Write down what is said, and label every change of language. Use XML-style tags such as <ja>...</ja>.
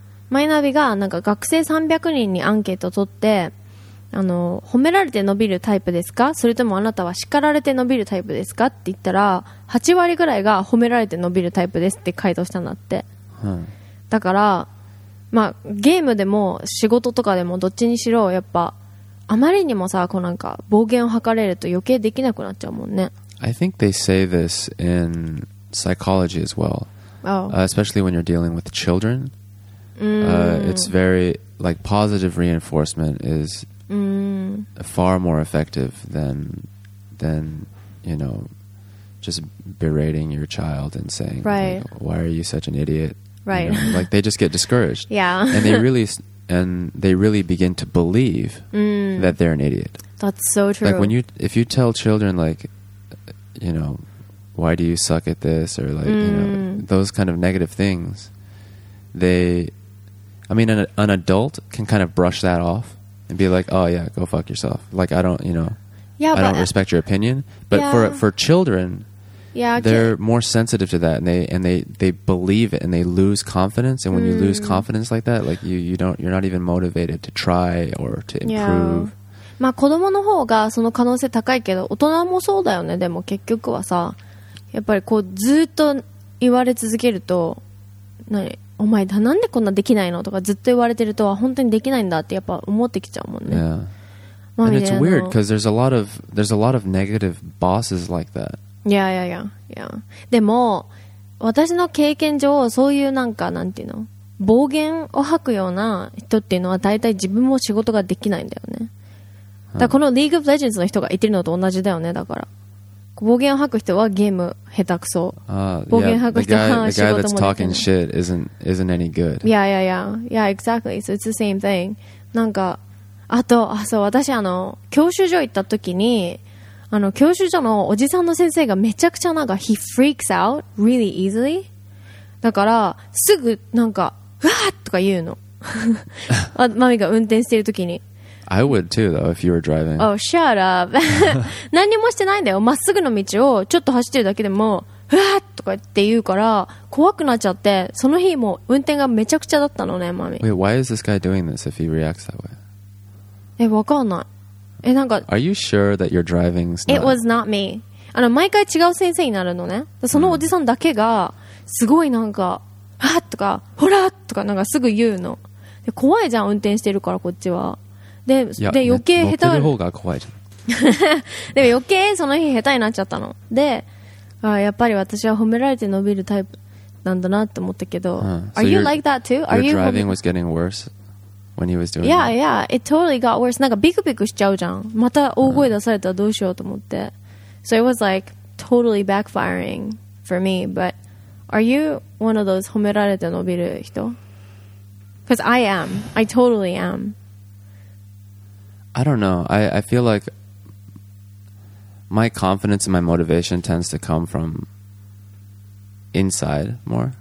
<ja>マイナビがなんか学生300人にアンケート取って、あの、褒められて伸びるタイプですか、それともあなたは叱られて伸びるタイプですかって言ったら、8割ぐらいが褒められて伸びるタイプですって回答したんだって、うん、だから、まあ、ゲームでも仕事とかでもどっちにしろ、やっぱあまりにもさ、こうなんか暴言を吐かれると余計できなくなっちゃうもんね。</ja> <en>I think they say this in psychology as well. Oh. Especially when you're dealing with children. It's very, like, positive reinforcement is far more effective than, you know, just berating your child and saying, right. like, why are you such an idiot? Right. You know, like, they just get discouraged. Yeah. and they really begin to believe that they're an idiot. That's so true. Like, if you tell children, like,you know, why do you suck at this, or like, you know, those kind of negative things, an adult can kind of brush that off and be like, oh yeah, go fuck yourself, like, I don't, you know, yeah, I don't respect your opinion, but for children, Yeah, okay. They're more sensitive to that, and they believe it, and they lose confidence. And when you lose confidence like that, like you're not even motivated to try or to improve. Yeah.</en> <ja>まあ子供の方がその可能性高いけど、大人もそうだよね。でも結局はさ、やっぱりこうずっと言われ続けると、何お前なんでこんなできないのとかずっと言われてると、本当にできないんだってやっぱ思ってきちゃうもんね。</ja> <en>Yeah. And it's weird because there's a lot of negative bosses like that. Yeah, yeah, yeah, yeah.</en> <ja>でも私の経験上そういうなんかなんていうの暴言を吐くような人っていうのは大体自分も仕事ができないんだよね。だこの League of Legends の人が言ってるのと同じだよね。だから暴言を吐く人はゲーム下手くそ。暴言吐く人は仕事もできない。</ja> <en>The guy that's talking shit isn't any good. Yeah, yeah, yeah, yeah. Exactly. So it's the same thing.</en> <ja>なんかあとあそう私あの教習所行った時に。あの教習所のおじさんの先生がめちゃくちゃなんか</ja> <en>he freaks out really easily</en> <ja>だからすぐなんかうわーとか言うのマミが運転してる時に</ja> <en>I would too though if you were driving Oh shut up</en> <ja>何もしてないんだよまっすぐの道をちょっと走ってるだけでもうわーとか言って言うから怖くなっちゃってその日もう運転がめちゃくちゃだったのねマミ</ja> <en>Wait why is this guy doing this if he reacts that way?</en> <ja>え、わかんないえなんか</ja> <en>Are you sure that your driving's not? It was not me.</en> <ja>あの毎回違う先生になるのね。そのおじさんだけがすごいなんかあっとかほらっとかなんかすぐ言うの。で怖いじゃん運転してるからこっちは。で、で余計下手。乗ってる方が怖いじゃん。でも余計その日下手になっちゃったの。で、あやっぱり私は褒められて伸びるタイプなんだなって思ったけど。</ja> <en>Are you like that too? Are your driving was getting worse? When he was doing yeah, that. Yeah, it totally got worse.</en> <ja>なんかビクビクしちゃうじゃん。また大声出されたらどうしようと思って。</ja> <en>So it was like totally backfiring for me. But are you one of those</en> <ja>褒められて伸びる人?</ja> <en>Because I am. I totally am. I don't know. I feel like my confidence and my motivation tends to come from inside more.</en>